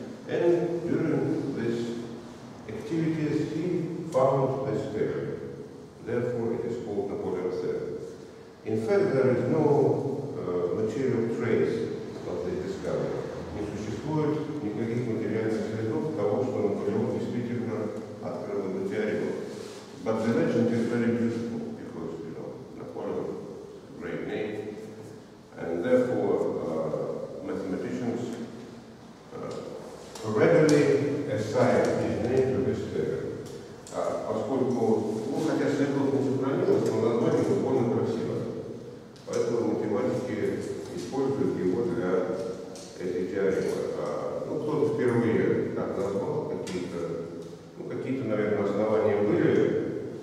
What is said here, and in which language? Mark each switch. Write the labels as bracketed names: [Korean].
[English] And during this activities, he found this theorem. Therefore, it is called Napoleon theorem. In fact, there is no material trace of this discovery. [Russian] Не существует никаких материальных следов того, что Наполеон действительно открыл эту теорему. [English] But the legend is very beautiful because, you know, Napoleon is a great name, and therefore mathematicians readily assign his name to this theorem. [Russian] Поскольку, ну хотя следов не сохранилось, но название довольно красиво. Поэтому математики используют его для этой теоремы. Ну, кто-то впервые так назвал, какие-то, наверное, основания были.